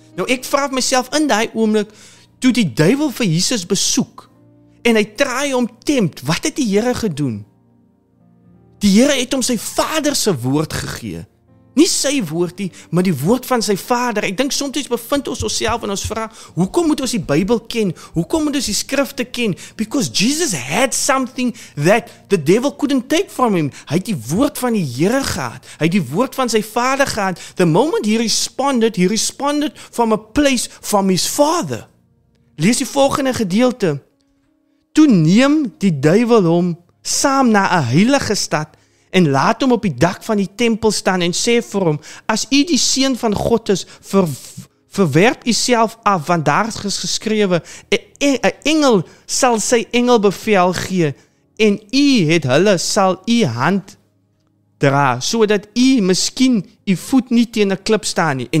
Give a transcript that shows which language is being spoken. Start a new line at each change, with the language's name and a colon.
Afrikaans: Nou ek vra myself in daai oomblik toe die duivel vir Jesus besoek en hy traai om tempt, wat het die Here gedoen? Die Here het hom sy Vader se woord gegee. Nie sy woord nie, maar die woord van sy Vader. Ek dink soms bevind ons onsself en ons vra, hoekom moet ons die Bybel ken? Hoekom moet ons die skrifte ken?
English: Because Jesus had something that the devil couldn't take from him.
Afrikaans: Hy het die woord van die Here gehad. Hy het die woord van sy Vader gehad.
English: The moment he responded from a place from his Father.
Afrikaans: Lees die volgende gedeelte. Toe neem die duivel hom saam na 'n heilige stad en laat hom op die dak van die tempel staan en sê vir hom, as u die seun van God is, verwerp u self af, want daar is geskrewe, 'n engel sal sy engel bevel gee, en u het hulle sal u hand dra, sodat u miskien u voet nie teen 'n klip staan nie.